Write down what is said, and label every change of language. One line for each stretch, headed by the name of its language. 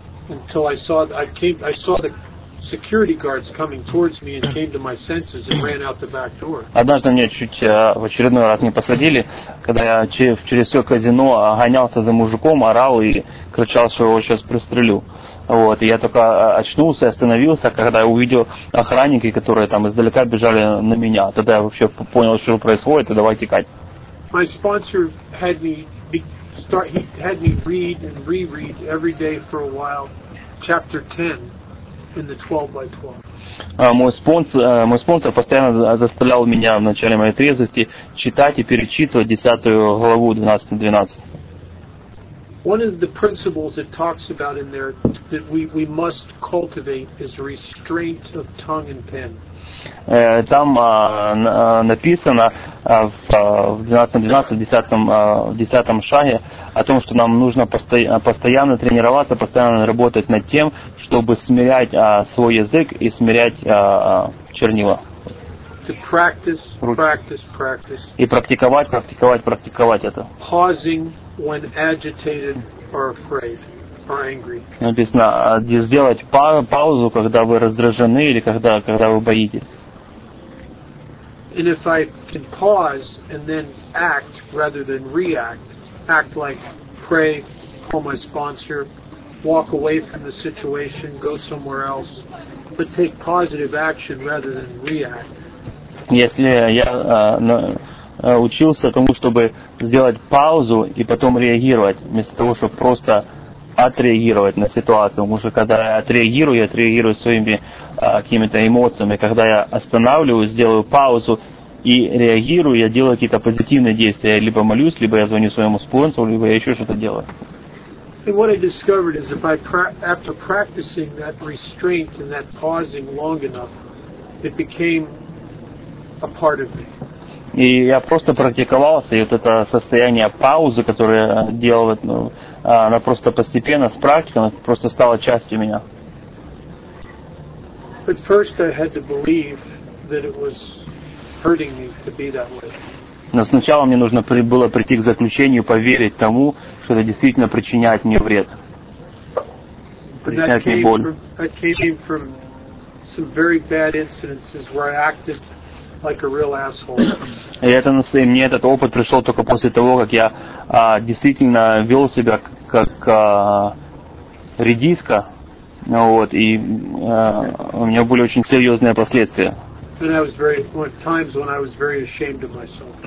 English: Until I saw the security guards coming towards me and came to my senses and ran out the back door.
Russian: Однажды меня чуть в очередной раз не посадили, когда я через все казино гонялся за мужиком, орал и кричал, что его сейчас пристрелю. Вот, и я только очнулся и остановился, когда я увидел охранники, которые там издалека бежали на меня. Тогда я вообще понял, что происходит, и давай текать.
English: My sponsor had me read and reread every day for a while chapter 10 in the 12x12.
Russian: Мой спонсор постоянно заставлял меня в начале моей трезвости читать и перечитывать 10 главу 12x12.
English: One of the principles it talks about in there that we must cultivate is restraint of tongue and pen.
Russian: Там написано в 12-12, в 10-м шаге о том, что нам нужно постоянно тренироваться, постоянно работать над тем, чтобы смирять свой язык и смирять чернила.
English: To practice.
Russian: И практиковать это.
English: Pausing when agitated or afraid. Angry.
Russian: Написано, где сделать паузу, когда вы раздражены или когда вы боитесь.
English: And if I can pause and then act rather than react, act like pray, call my sponsor, walk away from the situation, go somewhere else, but take positive action rather than react.
Russian: Если я учился тому, чтобы сделать паузу и потом реагировать, вместо того, чтобы просто отреагировать на ситуацию. Потому что когда я отреагирую своими какими-то эмоциями. Когда я останавливаюсь, сделаю паузу и реагирую, я делаю какие-то позитивные действия. Я либо молюсь, либо я звоню своему спонсору, либо я еще что-то делаю.
English: And what I discovered is after practicing that restraint and that pausing long enough, it became a part of me.
Russian: И я просто практиковался, и вот это состояние паузы, которое я делал, ну, оно просто постепенно, с практикой, оно просто стало частью меня.
English: But first I had to believe that it was hurting me to be that way.
Russian: Но сначала мне нужно было прийти к заключению, поверить тому, что это действительно причиняет мне вред, причиняет мне боль.
English: That came from some very bad incidences where I acted like a real asshole.
Russian: И это, мне этот опыт пришел только после того, как я действительно вел себя как редиска, вот, и у меня были очень серьезные последствия.
English: And I was very times when I was very ashamed of myself.